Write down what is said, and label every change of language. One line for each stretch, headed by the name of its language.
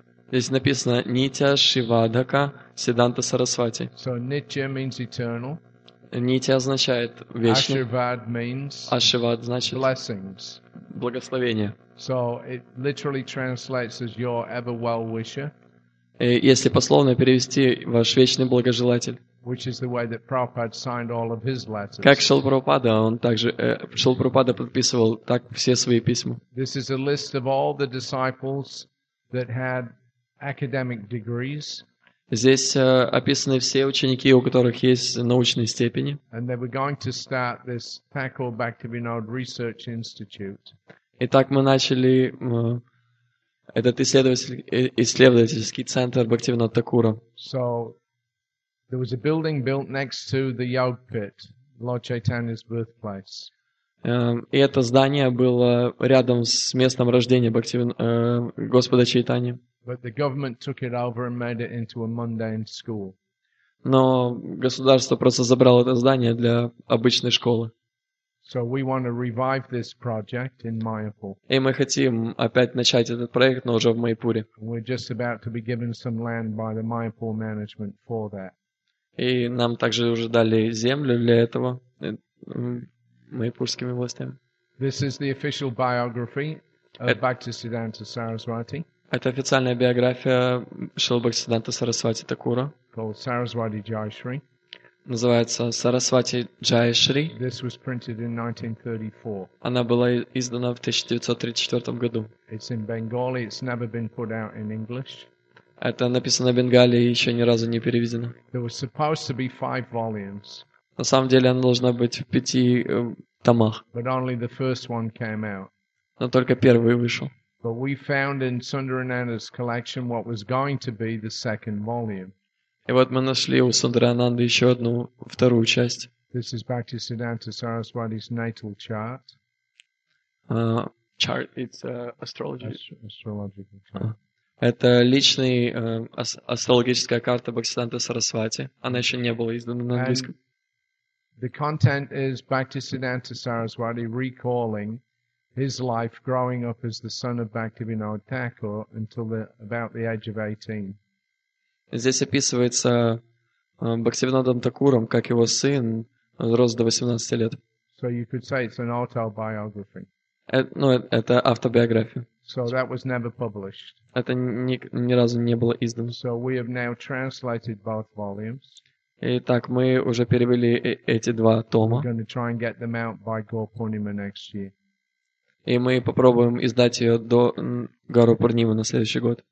Russian: Здесь написано Nitya Shivadaka Siddhanta Saraswati.
English: So Nitya means eternal.
Russian: Нити означает вечный. Ашивад значит
English: blessings.
Russian: Благословение.
English: So it literally translates as your ever well wisher.
Russian: Если пословно перевести, ваш вечный благожелатель.
English: Which is the way that Prabhupada signed all of his letters.
Russian: Как Шрила Прабхупада, он также Шрила Прабхупада подписывал так все свои письма.
English: This is a list of all the disciples that had academic degrees.
Russian: Здесь описаны все ученики, у которых есть научные степени.
English: And they were going to start this Thakur Bhaktivinoda Research Institute.
Russian: Итак, мы начали этот исследовательский центр Бхактивинода Такура.
English: So there was a building built next to the yoga pit, Lord Chaitanya's birthplace.
Russian: И это здание было рядом с местом рождения Господа Чайтани.
English: But the government took it over and made it into a mundane school.
Russian: Но государство просто забрало это здание для обычной школы.
English: So we want to revive this project in Mayapur.
Russian: И мы хотим опять начать этот проект, но уже в Майпуре.
English: We're just about to be given some land by the Mayapur management for that.
Russian: И нам также уже дали землю для этого майпурскими властями.
English: This is the official biography of Bhaktisiddhanta Saraswati.
Russian: Это официальная биография Шрилы Бхактисиддханты Сарасвати Такура.
English: Called Saraswati Jayashri.
Russian: Называется Сарасвати Джайшри.
English: This was printed in 1934.
Russian: Она была издана в 1934 году.
English: It's in Bengali. It's never been put out in English.
Russian: Это написано в Бенгали и еще ни разу не переведено.
English: There was supposed to be five volumes.
Russian: На самом деле она должна быть в пяти томах.
English: But only the first one came out.
Russian: Но только первый вышел.
English: But we found in Sundarananda's collection what was going to be the second volume.
Russian: И вот мы нашли у Сундарананды еще одну, вторую часть.
English: This is Bhaktisiddhanta Saraswati's natal chart. Chart, it's astrology. Astrological chart.
Russian: Это личный астрологическая карта Бхактисиддханты Сарасвати. Она еще не была издана на английском.
English: And the content is Bhaktisiddhanta Saraswati recalling his life growing up as the son of Bhaktivinoda Thakur until about the age of 18.
Russian: Здесь описывается Бхактивинодом Такуром, как его сын рос до 18 лет.
English: So you could say it's an autobiography.
Russian: Это автобиография.
English: So that was never published.
Russian: Это ни разу не было издано.
English: So we have now translated both volumes.
Russian: Итак, мы уже перевели эти два тома.
English: We're going to try and get them out by Gaur Purnima next year.
Russian: И мы попробуем издать ее до Гару Пурнимы на следующий год.